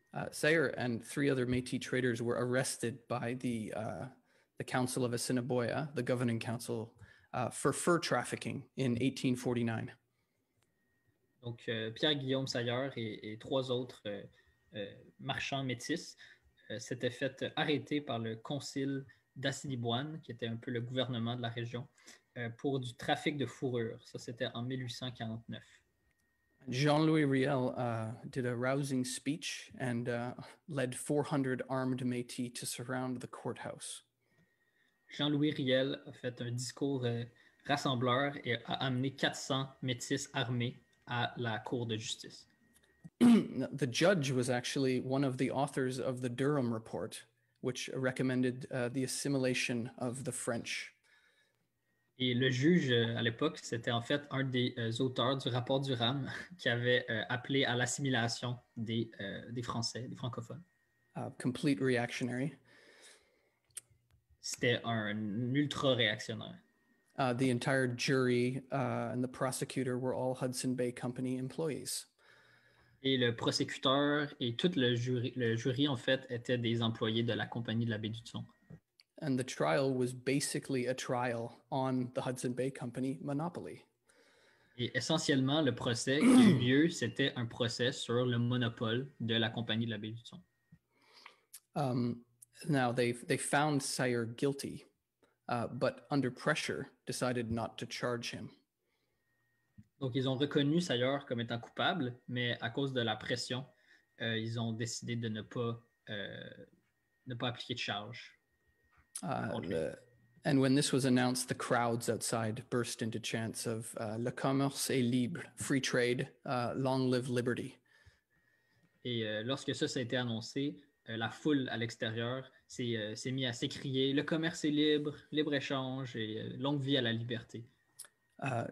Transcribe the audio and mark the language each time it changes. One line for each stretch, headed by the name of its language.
English: Sayer and three other Métis traders were arrested by the Council of Assiniboia, the governing council, for fur trafficking in 1849.
French: Donc Pierre Guillaume Sayer et trois autres marchands métis s'étaient fait arrêter par le concile d'Assiniboine, qui était un peu le gouvernement de la région, pour du trafic de fourrure. Ça, c'était en 1849.
English: Jean-Louis Riel did a rousing speech and led 400 armed Métis to surround the courthouse.
French: Jean-Louis Riel a fait un discours rassembleur et a amené 400 Métis armés à la cour de justice.
English: The judge was actually one of the authors of the Durham Report, which recommended the assimilation of the French.
French: Et le juge à l'époque, c'était en fait un des auteurs du rapport Durham qui avait appelé à l'assimilation des Français, des francophones.
English: Complete reactionary.
French: C'était un ultra réactionnaire.
English: The entire jury and the prosecutor were all Hudson Bay Company employees.
French: Et le procureur et tout le jury en fait étaient des employés de la compagnie de la baie du Thon.
English: And the trial was basically a trial on the Hudson Bay Company monopoly.
French: Et essentiellement, le procès qui a eu lieu, c'était un procès sur le monopole de la compagnie de la baie du Thon.
English: Now, they found Sayer guilty, but under pressure, decided not to charge him.
French: Donc, ils ont reconnu Sayer comme étant coupable, mais à cause de la pression, ils ont décidé de ne pas appliquer de charge.
English: And when this was announced, the crowds outside burst into chants of
French: Le commerce est libre,
English: free trade, long live liberty.
French: Et lorsque ça a été annoncé, la foule à l'extérieur s'est mis à s'écrier « Le commerce est libre, libre-échange et longue vie à la liberté ».